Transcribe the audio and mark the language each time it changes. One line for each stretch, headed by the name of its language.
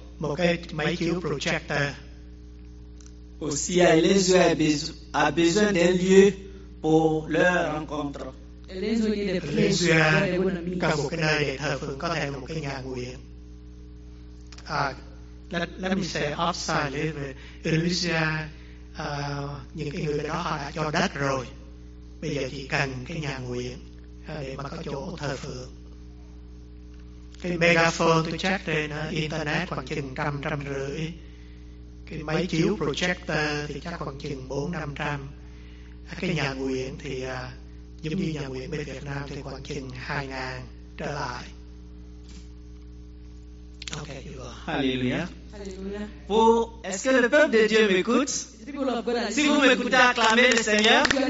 Vietnamese: một cái máy chiếu projector.
French: Aussi, Elezoué a besoin d'un lieu pour leur rencontre.
Vietnamese: Elezoué cần một cái nơi để thờ phượng, có thể một cái nhà nguyện.
English: Let me say offside a little bit.
Vietnamese: Elezoué, những cái người đó họ đã cho đất rồi, bây giờ chỉ cần cái nhà nguyện. Để mà có chỗ thờ phượng. Cái megaphone tôi check trên internet khoảng chừng 100-150. Cái máy chiếu projector thì chắc khoảng chừng 400-500. Cái nhà nguyện thì giống như nhà nguyện bên Việt Nam thì khoảng chừng 2,000 trở lại.
English: Ok, you are. Hallelujah. Hallelujah.
French: Pour, est-ce que le peuple de Dieu m'écoute? Si vous m'écoutez, acclamez le Seigneur.